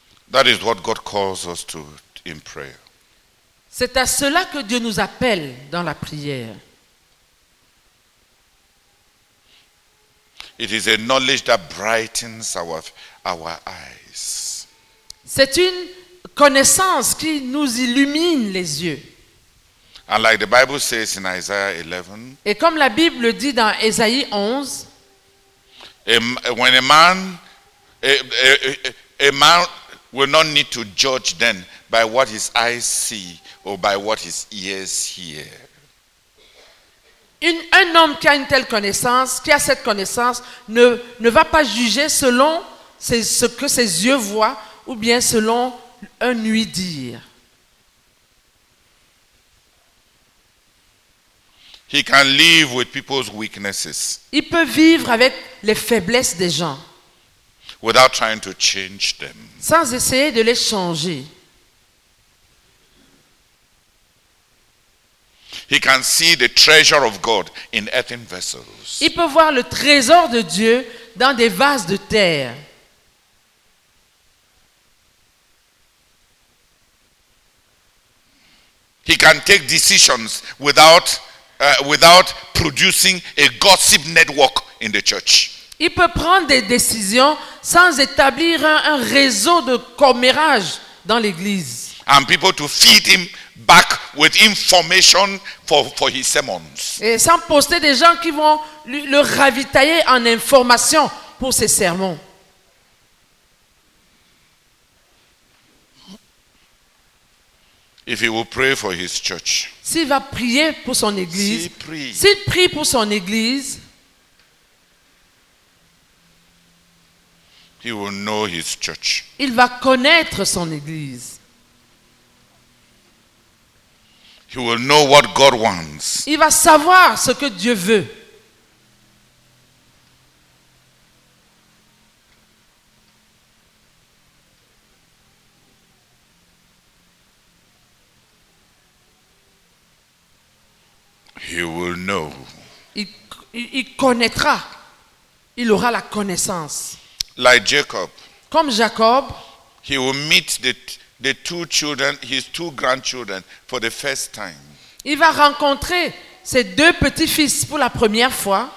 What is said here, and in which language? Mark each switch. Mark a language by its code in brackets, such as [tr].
[en] That is what God calls us to in prayer. [fr] C'est à cela que Dieu nous appelle dans la prière. [en] It is a knowledge that brightens our eyes. [fr] C'est une connaissance qui nous illumine les yeux. [en] And like the Bible says in Isaiah 11. [fr] Et comme la Bible dit dans Ésaïe 11. [en] When a man will not need to judge then by what his eyes see or by what his ears hear. [fr] Un homme qui a une telle connaissance, qui a cette connaissance, ne va pas juger selon ce que ses yeux voient ou bien selon un ouï-dire. [en] He can live with people's weaknesses. [fr] Il peut vivre avec les faiblesses des gens. [en] Without trying to change them. [fr] Sans essayer de les changer. [en] He can see the treasure of God in earthen vessels. [fr] Il peut voir le trésor de Dieu dans des vases de terre. [en] He can take decisions without producing a gossip network in the church. [fr] Il peut prendre des décisions sans établir un réseau de commérage dans l'église. [en] And people to feed him back with information for his sermons. [fr] Et sans poster des gens qui vont le ravitailler en information pour ses sermons. [en] If he will pray for his church. [fr] S'il va prier pour son église. S'il prie pour son église. [en] He will know his church. [fr] Il va connaître son église. [en] He will know what God wants. [fr] Il va savoir ce que Dieu veut. [en] He will know. [fr] Il connaîtra. Il aura la connaissance. [en] Like Jacob. [fr] Comme Jacob. [en] He will meet the two children, his two grandchildren, for the first time. [fr] Il va rencontrer ses deux petits-fils pour la première fois.